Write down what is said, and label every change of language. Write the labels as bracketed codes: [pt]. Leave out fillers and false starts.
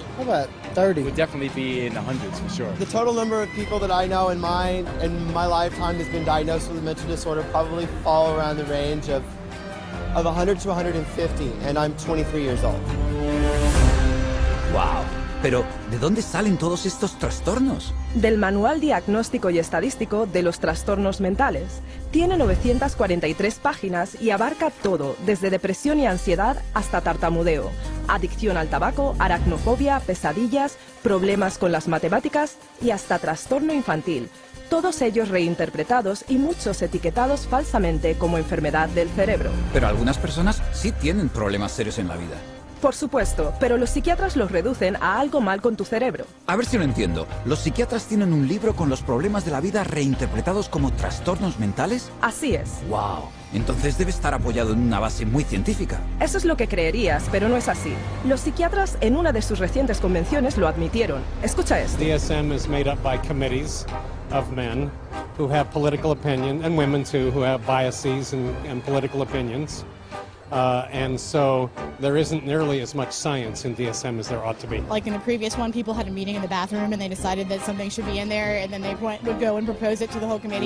[en] How about 30? Would definitely be in the hundreds for sure. The total number of people that I know in my lifetime has been diagnosed with a mental disorder probably fall around the range of 100 to 150, and I'm 23 years old. Wow. [es] Pero, ¿de dónde salen todos estos trastornos? Del Manual Diagnóstico y Estadístico de los Trastornos Mentales. Tiene 943 páginas y abarca todo, desde depresión y ansiedad hasta tartamudeo, adicción al tabaco, aracnofobia, pesadillas, problemas con las matemáticas y hasta trastorno infantil. Todos ellos reinterpretados y muchos etiquetados falsamente como enfermedad del cerebro. Pero algunas personas sí tienen problemas serios en la vida. Por supuesto, pero los psiquiatras los reducen a algo mal con tu cerebro. A ver si lo entiendo. ¿Los psiquiatras tienen un libro con los problemas de la vida reinterpretados como trastornos mentales? Así es. ¡Wow! Entonces debe estar apoyado en una base muy científica. Eso es lo que creerías, pero no es así. Los psiquiatras en una de sus recientes convenciones lo admitieron. Escucha esto. [en] DSM is made up by committees of men who have political opinion, and women too, who have biases and political opinions. And so there isn't nearly as much science in DSM as there ought to be. Like in the previous one, people had a meeting in the bathroom and they decided that something should be in there, and then they would go and propose it to the whole committee.